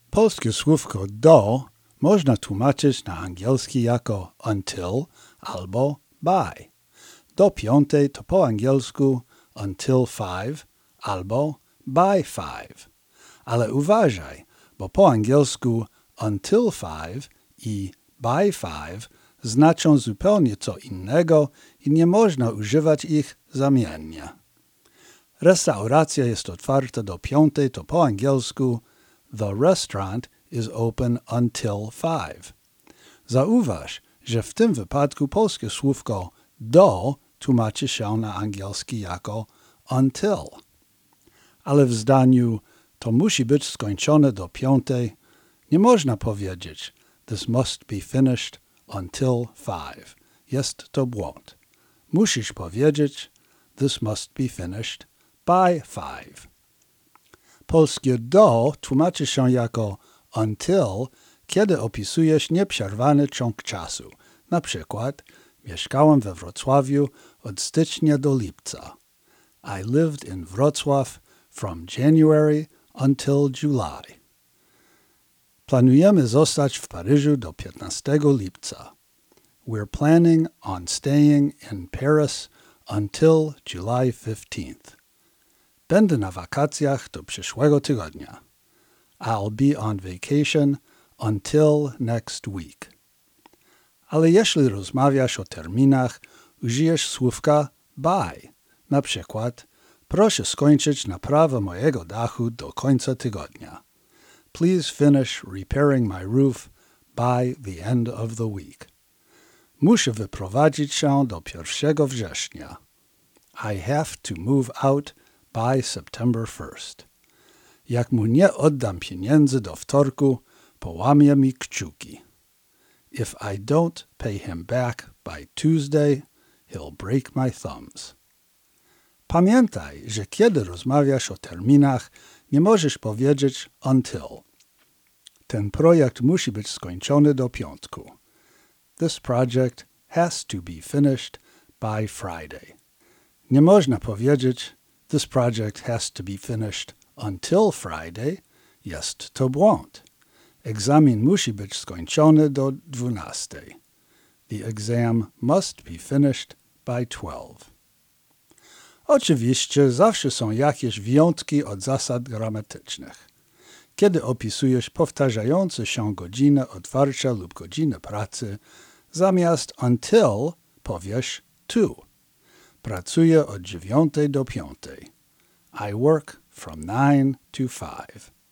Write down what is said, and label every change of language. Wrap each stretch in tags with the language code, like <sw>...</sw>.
<pl>Polskie słówko do można tłumaczyć na angielski jako until albo by. Do piątej to po angielsku</pl> <en>until five</en> <pl>albo</pl> <en>by five.</en> <pl>Ale uważaj, bo po angielsku</pl> <en>until five</en> <pl>i</pl> <en>by five</en> <pl>znaczą zupełnie co innego i nie można używać ich zamiennie. Restauracja jest otwarta do piątej, to po angielsku</pl> <en>the restaurant is open until five.</en> <pl>Zauważ, że w tym wypadku polskie słówko do tłumaczy się na angielski jako until. Ale w zdaniu to musi być skończone do piątej nie można powiedzieć</pl> <en>this must be finished until five.</en> <pl>Jest to błąd. Musisz powiedzieć</pl> <en>this must be finished by five.</en> <pl>Polskie do tłumaczy się jako until, kiedy opisujesz nieprzerwany ciąg czasu. Na przykład, mieszkałem we Wrocławiu od stycznia do lipca.</pl> <en>I lived in Wrocław from January until July.</en> <pl>Planujemy zostać w Paryżu do 15 lipca.</pl> <en>We're planning on staying in Paris until July 15th.</en> <pl>Będę na wakacjach do przyszłego tygodnia.</pl> <en>I'll be on vacation until next week.</en> <pl>Ale jeśli rozmawiasz o terminach, użyjesz słówka by. Na przykład, proszę skończyć naprawę mojego dachu do końca tygodnia.</pl> <en>Please finish repairing my roof by the end of the week.</en> <pl>Muszę wyprowadzić się do 1 września.</pl> <en>I have to move out by September 1st.</en> <pl>Jak mu nie oddam pieniędzy do wtorku, połamie mi kciuki.</pl> <en>If I don't pay him back by Tuesday, he'll break my thumbs.</en> <pl>Pamiętaj, że kiedy rozmawiasz o terminach, nie możesz powiedzieć until. Ten projekt musi być skończony do piątku.</pl> <en>This project has to be finished by Friday.</en> <pl>Nie można powiedzieć</pl> <en>this project has to be finished until Friday.</en> <pl>Jest to błąd. Egzamin musi być skończony do 12.</pl> <en>The exam must be finished by 12.</en> <pl>Oczywiście zawsze są jakieś wyjątki od zasad gramatycznych. Kiedy opisujesz powtarzające się godzinę otwarcia lub godzinę pracy, zamiast until powiesz to. Pracuję od 9 do 5.</pl> <en>I work from 9 to 5.</en>